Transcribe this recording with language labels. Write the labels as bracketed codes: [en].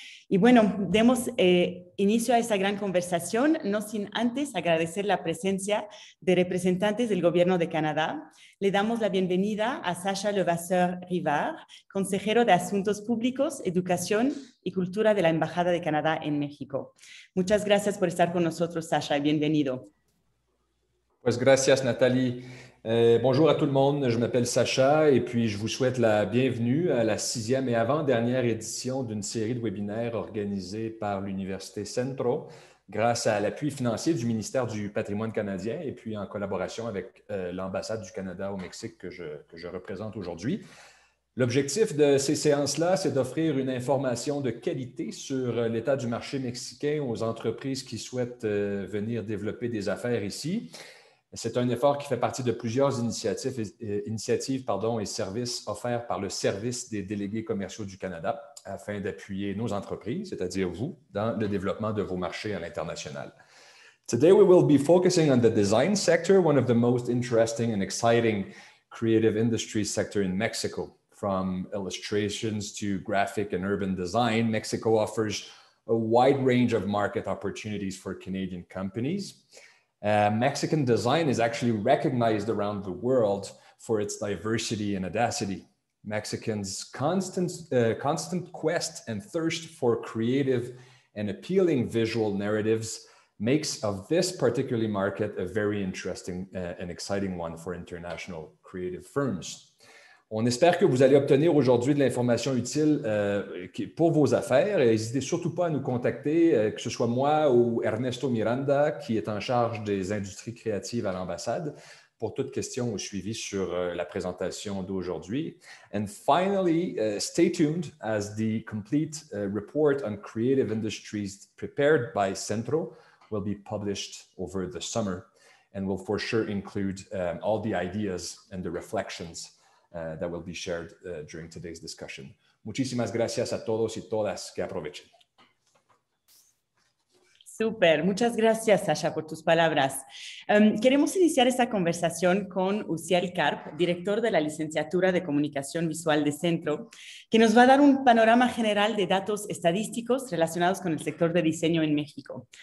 [es] Y bueno, demos inicio a esta gran conversación, no sin antes agradecer la presencia de representantes del Gobierno de Canadá. Le damos la bienvenida a Sacha Levasseur-Rivard, consejero de Asuntos Públicos, Educación y Cultura de la Embajada de Canadá en México. Muchas gracias por estar con nosotros, Sacha, y bienvenido. Pues gracias, Nathalie. [fr] Bonjour à tout le monde, je m'appelle Sacha et puis je vous souhaite la bienvenue à la sixième et avant-dernière édition d'une série de webinaires organisée par l'Université Centro grâce à l'appui financier du ministère du Patrimoine canadien et puis en collaboration avec l'ambassade du Canada au Mexique que je représente aujourd'hui. L'objectif de ces séances-là, c'est d'offrir une information de qualité sur l'état du marché mexicain aux entreprises qui souhaitent venir développer des affaires ici. C'est un effort qui fait partie de plusieurs initiatives, et services offerts par le Service des délégués commerciaux du Canada afin d'appuyer nos entreprises, c'est-à-dire vous, dans le développement de vos marchés à l'international. [en] Today, we will be focusing on the design sector, one of the most interesting and exciting creative industry sectors in Mexico. From illustrations to graphic and urban design, Mexico offers a wide range of market opportunities for Canadian companies. Mexican design is actually recognized around the world for its diversity and audacity. Mexicans' constant quest and thirst for creative and appealing visual narratives makes of this particular market a very interesting and exciting one for international creative firms. [fr] On espère que vous allez obtenir aujourd'hui de l'information utile pour vos affaires. N'hésitez surtout pas à nous contacter, que ce soit moi ou Ernesto Miranda, qui est en charge des industries créatives à l'ambassade, pour toute question ou suivi sur la présentation d'aujourd'hui. [en] And finally, stay tuned as the complete report on creative industries prepared by Centro will be published over the summer and will for sure include all the ideas and the reflections. That will be shared during today's discussion. [es] Muchísimas gracias a todos y todas que aprovechen. Súper, muchas gracias, Sasha, por tus palabras. Queremos iniciar esta conversación con Uziel Karp, director de la Licenciatura de Comunicación Visual de Centro, que nos va a dar un panorama general de datos estadísticos relacionados con el sector de diseño en México.